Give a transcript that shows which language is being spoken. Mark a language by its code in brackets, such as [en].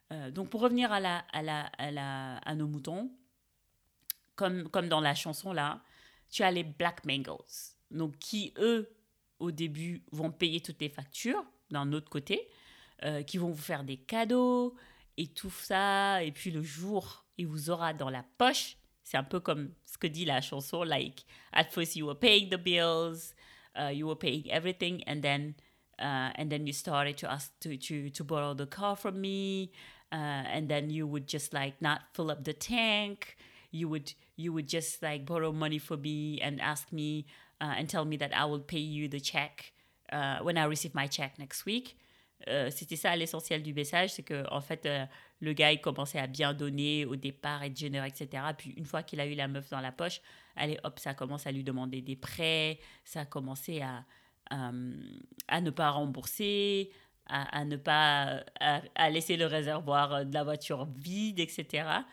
[fr] Donc, pour revenir à nos moutons, comme dans la chanson là, tu as les Black Mangles, donc qui, eux, au début, vont payer toutes les factures d'un autre côté, qui vont vous faire des cadeaux et tout ça. Et puis, le jour, il vous aura dans la poche. C'est un peu comme ce que dit la chanson, [en] like, at first you were paying the bills, you were paying everything, and then you started to ask to borrow the car from me, and then you would just like not fill up the tank, you would just like borrow money for me and ask me and tell me that I will pay you the check when I receive my check next week. [fr] C'était ça l'essentiel du message, c'est que en fait le gars il commençait à bien donner au départ, être généreux, etc. Puis une fois qu'il a eu la meuf dans la poche, allez hop, ça commence à lui demander des prêts, ça commençait à ne pas rembourser, à laisser le réservoir de la voiture vide, etc.